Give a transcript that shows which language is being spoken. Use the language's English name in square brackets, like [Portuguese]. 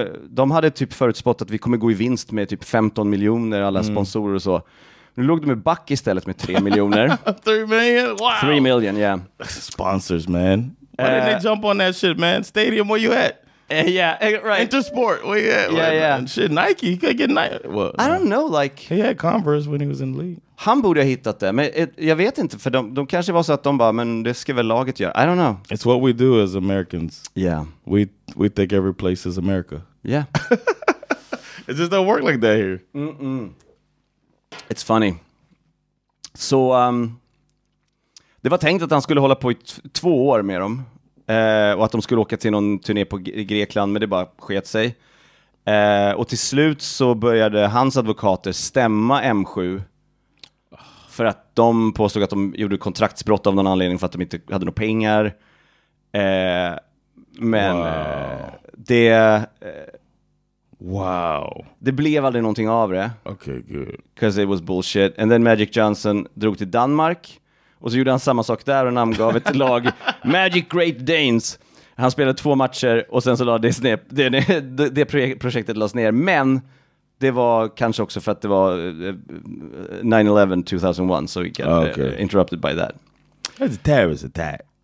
[Swedish] De hade typ förutspått att vi kommer gå i vinst med typ 15 miljoner, alla sponsorer och så. Nu låg de med back istället med 3 miljoner. [English] 3 million? Wow! 3 million, yeah. Sponsors, man. Why didn't they jump on that shit, man? Stadium, where you at? Yeah, right. Intersport, where you at? Yeah, where, yeah. Shit, Nike, you could get Nike. Well, I don't know, like... He had Converse when he was in the league. [Swedish] Han borde ha hittat det, men jag vet inte, för de kanske var så att de bara, men det ska väl laget göra. [English] I don't know. It's what we do as Americans. Yeah. We think every place is America. Yeah. It just don't work like that here. Mm-mm. It's funny. [Swedish] Så det var tänkt att han skulle hålla på i 2 år med dem. Och att de skulle åka till någon turné på Grekland, men det bara sket sig. Och till slut så började hans advokater stämma M7. För att de påstod att de gjorde kontraktsbrott av någon anledning, för att de inte hade några pengar. Men [English] wow. Wow. [Swedish] Det blev aldrig någonting av det. [English] Okay, good. Because it was bullshit. And then [Swedish] Magic Johnson drog till Danmark. Och så gjorde han samma sak där och namngav ett lag Magic Great Danes. Han spelade 2 matcher och sen så lade det ner. Det projektet lades ner. Men det var kanske också för att det var 9/11 2001. [English] So he got interrupted by that. That's a terrorist attack.